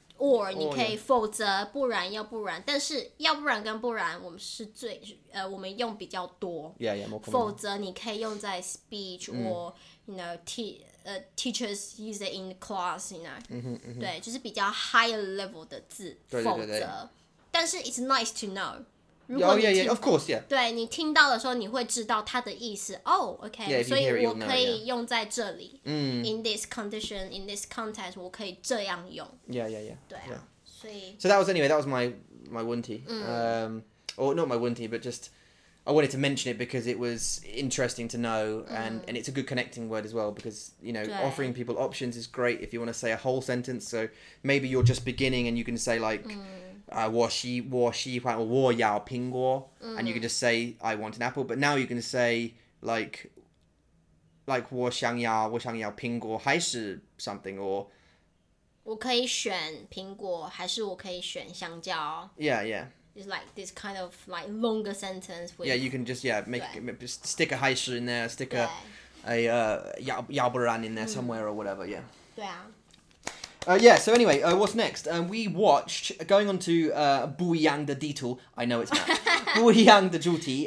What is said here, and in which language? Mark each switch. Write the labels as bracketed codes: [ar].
[zh] or 你可以否则不然要不然，但是要不然跟不然我们是最我们用比较多。 [en] Yeah, yeah, more common. 否则你可以用在 speech or you know teachers use it in the class, you know. [zh] 对，就是比较 higher level 的字，否则。 [en] 但是 it's nice to know. Oh yeah, yeah, of course, yeah. [zh] 对，你听到的时候你会知道它的意思。 [en] Oh, okay. Yeah, [zh] 所以我可以用在这里。 [en] 嗯、yeah. In this condition, in this context, 我可以这样用。 Yeah, yeah, yeah. [zh] 对啊， [en] yeah. [zh] 所以。 [en] So that was anyway. That was my 问题。 Or not my 问题, but just I wanted to mention it because it was interesting to know, and it's a good connecting word as well because you know offering people options is great if you want to say a whole sentence. So maybe you're just beginning and you can say like. 我喜欢我要苹果 and you can just say I want an apple, but now you can say like 我想要苹果还是 something, or [zh] 我可以选苹果还是我可以选香蕉. [en] Yeah, yeah. It's like this kind of like longer sentence with, yeah, you can just yeah make stick a 还是 in there, stick a 要不然 in there somewhere or whatever. Yeah, [zh] 对啊. [en] Yeah, so anyway, what's next? We watched, going on to 不一样的地图, I know it's bad, 不一样的主题.